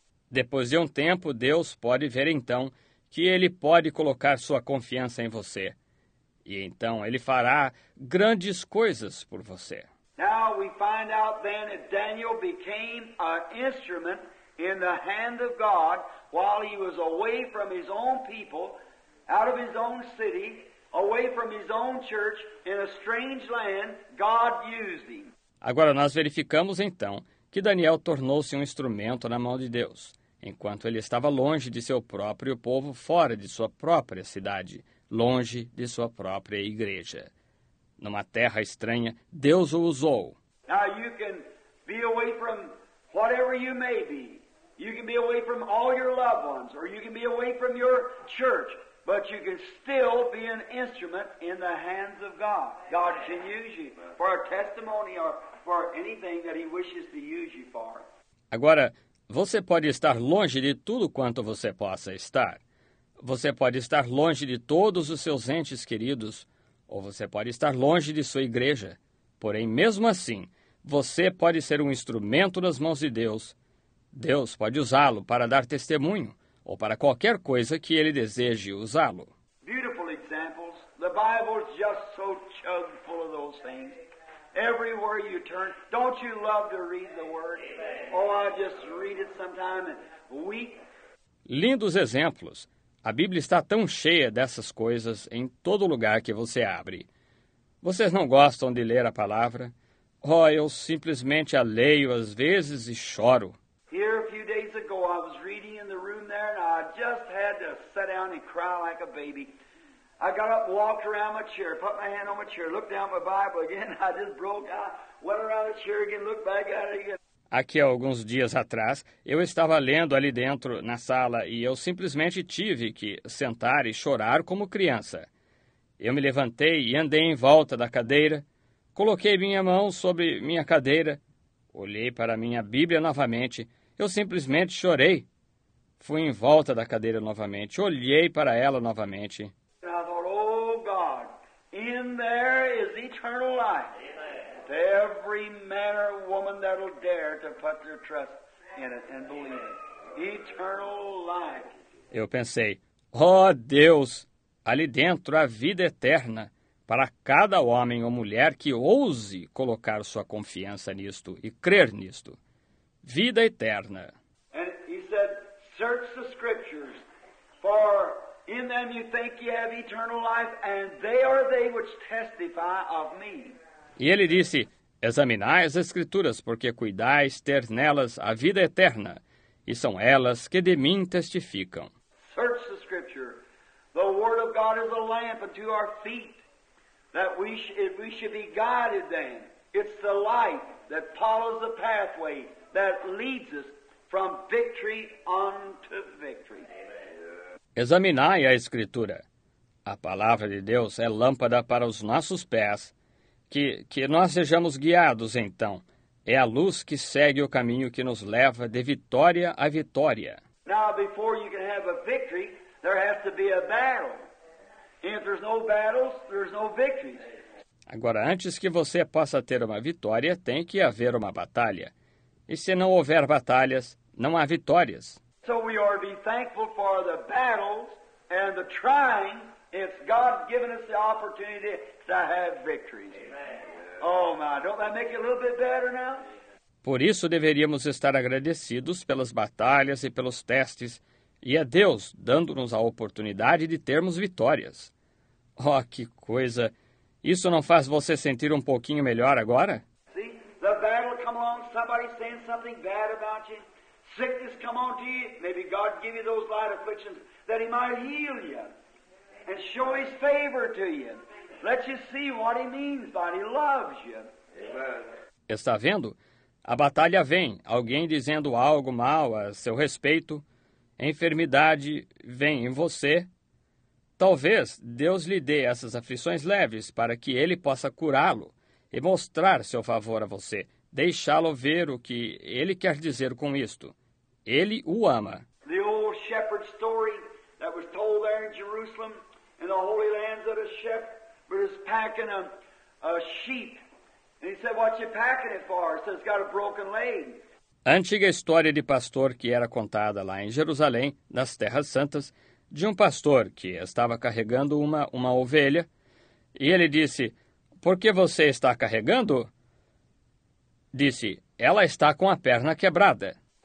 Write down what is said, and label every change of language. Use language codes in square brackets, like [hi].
[pt] Depois de um tempo, Deus pode ver então que Ele pode colocar sua confiança em você. E então Ele fará grandes coisas por você. [en] Now we find out then that Daniel became an instrument in the hand of God while he was away from his own people, out of his own city, away from his own church, in a strange land, God used him. [pt] Agora nós verificamos então que Daniel tornou-se um instrumento na mão de Deus, enquanto ele estava longe de seu próprio povo, fora de sua própria cidade, longe de sua própria igreja. Numa terra estranha, Deus o usou. [en] Now you can be away from whatever you may be. You can be away from all your loved ones, or you can be away from your church, but you can still be an instrument in the hands of God. God can use you for a testimony or for anything that He wishes to use you for. [pt] Agora, você pode estar longe de tudo quanto você possa estar. Você pode estar longe de todos os seus entes queridos, ou você pode estar longe de sua igreja. Porém, mesmo assim, você pode ser um instrumento nas mãos de Deus. Deus pode usá-lo para dar testemunho ou para qualquer coisa que Ele deseje usá-lo. [en] Beautiful examples. The Bible is just so chock full of those things. Everywhere you turn, don't you love to read the Word? Oh, I just read it sometime and weep. [pt] Lindos exemplos. A Bíblia está tão cheia dessas coisas em todo lugar que você abre. Vocês não gostam de ler a palavra? Oh, eu simplesmente a leio às vezes e choro. [en] Here a few days ago, I was reading in the room there, and I just had to sit down and cry like a baby. I got up, walked around my chair, put my hand on my chair, looked down my Bible again, I just broke out, went around the chair again, looked back at it again. [pt] Aqui há alguns dias atrás, eu estava lendo ali dentro, na sala, e eu simplesmente tive que sentar e chorar como criança. Eu me levantei e andei em volta da cadeira, coloquei minha mão sobre minha cadeira, olhei para minha Bíblia novamente, eu simplesmente chorei. Fui em volta da cadeira novamente, olhei para ela novamente. E eu pensei, [en] oh, God, in there is eternal life. To every man or woman that will dare to put their trust in it and believe it. Eternal life. [pt] Eu pensei, oh, Deus, ali dentro a vida eterna. Para cada homem ou mulher que ouse colocar sua confiança nisto e crer nisto. Vida eterna. [en] And he said, search the scriptures, for in them you think you have eternal life, and they are they which testify of me. [pt] E ele disse, examinai as escrituras, porque cuidais ter nelas a vida eterna, e são elas que de mim testificam. [en] Search the scripture. The word of God is a lamp unto our feet. That we should be guided then. It's the light that follows the pathway that leads us from victory unto victory. Amen. [pt] Examinai a Escritura. A palavra de Deus é lâmpada para os nossos pés. Que nós sejamos guiados, então. É a luz que segue o caminho que nos leva de vitória a vitória. [en] Now, before you can have a victory, there has to be a battle. If there's no battles, there's no victory. [pt] Agora, antes que você possa ter uma vitória, tem que haver uma batalha. E se não houver batalhas, não há vitórias. [en] So we are to be thankful for the battles and the trying. It's God given us the opportunity to have victories. Amen. Oh, my, don't that make it a little bit better now? [pt] Por isso, deveríamos estar agradecidos pelas batalhas e pelos testes, e a Deus dando-nos a oportunidade de termos vitórias. Oh, que coisa! Isso não faz você sentir um pouquinho melhor agora? [en] See, the battle come along, somebody saying something bad about you. Sickness come on to you. Maybe God give you those light afflictions that he might heal you and show his favor to you. Let you see what he means by it. He loves you. Amen. [pt] Está vendo? A batalha vem. Alguém dizendo algo mal a seu respeito. A enfermidade vem em você. Talvez Deus lhe dê essas aflições leves para que ele possa curá-lo e mostrar seu favor a você, deixá-lo ver o que ele quer dizer com isto. Ele o ama. [en] The old shepherd story that was told there in Jerusalem, in the holy lands of the shepherd, was packing a sheep. And he said, what you packing it for? He said, it's got a broken leg. [pt] A antiga história de pastor que era contada lá em Jerusalém, nas Terras Santas, de um pastor que estava carregando uma ovelha, e ele disse, por que você está carregando? Disse, ela está com a perna quebrada.